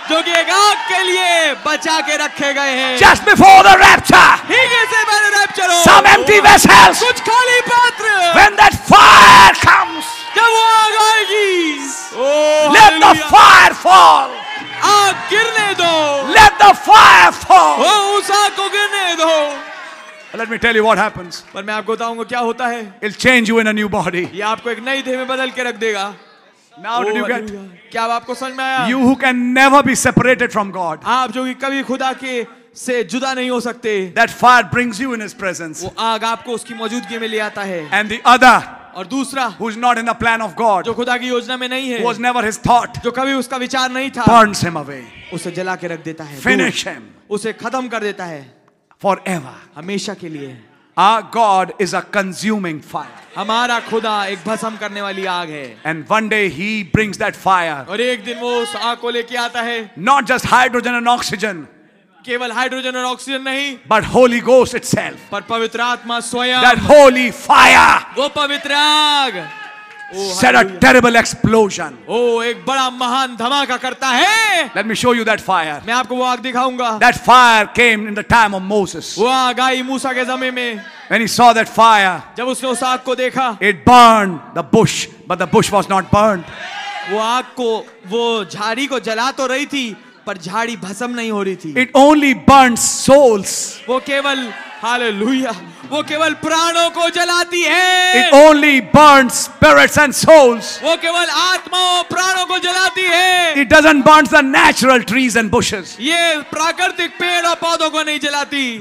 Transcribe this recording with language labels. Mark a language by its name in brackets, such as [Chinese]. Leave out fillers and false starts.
[Hindi] जो कि एक आग के लिए बचा के रखे गए हैं. [English] Just before the rapture. [Hindi] ठीक है से बड़े rapture. [English] Some empty vessels. [Hindi] कुछ खाली पात्र. [English] When that fire comes. [Hindi] जब वो आग आएगी. [English] Oh, let the fire fall. [Hindi] आग गिरने दो. [English] Let the fire fall. [Hindi] वो उस आग को गिरने दो. [English] Let me tell you what happens. [Hindi] पर मैं आपको बताऊंगा क्या होता है. [English] It'll change you in a new body. [Hindi] ये आपको एक नई देह में बदल के रख देगा. [English] Now did you get? [Hindi] क्या आपको समझ में आया? [English] You who can never be separated from God. [Hindi] आप जो कि कभी खुदा के से जुदा नहीं हो सकते. [English] That fire brings you in His presence. [Hindi] वो आग आपको उसकी मौजूदगी में ले आता है. [English] And the other. [Hindi] और दूसरा. [English] Who is not in the plan of God. [Hindi] जो खुदा की योजना में नहीं है. [English] Was never His thought. [Hindi] जो कभी उसका विचार नहीं था. [English] Burns him away. [Hindi] उसे जला के रख देता है. [English] Finish him. [Hindi] उसे खत्म कर देता है. [English] Forever. [Hindi] हमेशा के लिए. [English] Our God is a consuming fire. [Hindi] हमारा खुदा एक भस्म करने वाली आग है. [English] And one day He brings that fire. [Hindi] और एक दिन वो उस आग को लेके आता है. [English] Not just hydrogen and oxygen. [Hindi] केवल हाइड्रोजन और ऑक्सीजन नहीं. [English] But Holy Ghost itself. [Hindi] पर पवित्र आत्मा स्वयं. [English] That holy fire. [Hindi] वो पवित्र आग. [English] Set a terrible explosion. [Hindi] Oh, एक बड़ा महान धमाका करता है. [English] Let me show you that fire. [Hindi] मैं आपको वो आग दिखाऊंगा. [English] That fire came in the time of Moses. [Hindi] वो आग आई मूसा के समय में. [English] When he saw that fire. [Hindi] जब उसने उस आग को देखा. [English] It burned the bush, but the bush was not burned. [Hindi] वो आग को वो झाड़ी को जला तो रही थी, पर झाड़ी भस्म नहीं हो रही थी. [English] It only burned souls. [Hindi] वो केवल Hallelujah. वो केवल प्राणों को जलाती है. [English] It only burns spirits and souls. [Hindi] वो केवल आत्माओं और प्राणों को जलाती है. [English] It doesn't burn the natural trees and bushes. [Hindi] ये प्राकृतिक पेड़ और पौधों को नहीं जलाती.